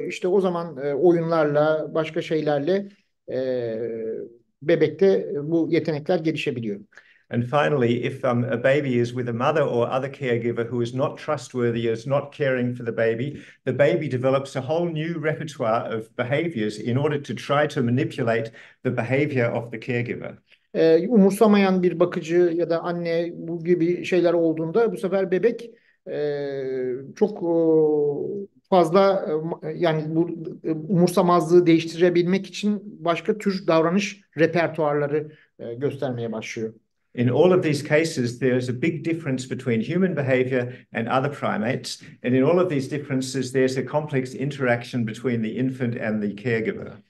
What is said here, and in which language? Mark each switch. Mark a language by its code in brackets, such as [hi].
[tr] İşte o zaman oyunlarla, başka şeylerle bebekte bu yetenekler gelişebiliyor. [en] And finally, if a baby is with a mother or other caregiver who is not trustworthy, is not caring for the baby develops a whole new repertoire of behaviors in order to try to manipulate the behavior of the caregiver. [tr] Umursamayan bir bakıcı ya da anne, bu gibi şeyler olduğunda bu sefer bebek çok fazla yani bu umursamazlığı değiştirebilmek için başka tür davranış repertuarları göstermeye başlıyor. [en] In all of these cases, there is a big difference between human behavior and other primates. And in all of these differences, there's a complex interaction between the infant and the caregiver.